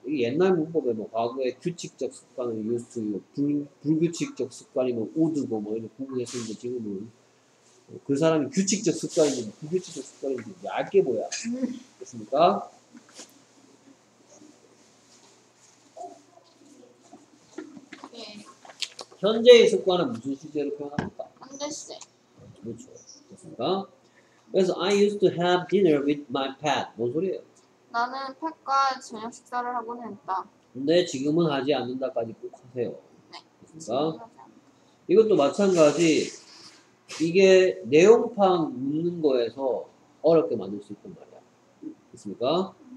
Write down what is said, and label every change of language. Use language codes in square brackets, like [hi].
[ko] 이게 옛날 문법에 뭐 과거의 규칙적 습관을 used to 불규칙적 습관이면 would고 뭐 이런 구분했었는데 지금은 그 사람이 규칙적 습관인지 불규칙적 습관인지 얇게 보여. 됐습니까? 네. 현재의 습관은 무슨 시제로 표현합니까? 현재시제. 그렇죠. 됐습니까? 그래서 [en] I used to have dinner with my pet. [ko] 뭔 소리예요? 나는 펫과 저녁 식사를 하곤 했다. 근데 지금은 하지 않는다까지 꼭 하세요. 네. 됐습니까? 이것도 마찬가지. 이게 내용 파악 묻는 거에서 어렵게 만들 수 있단 말이야. 됐습니까?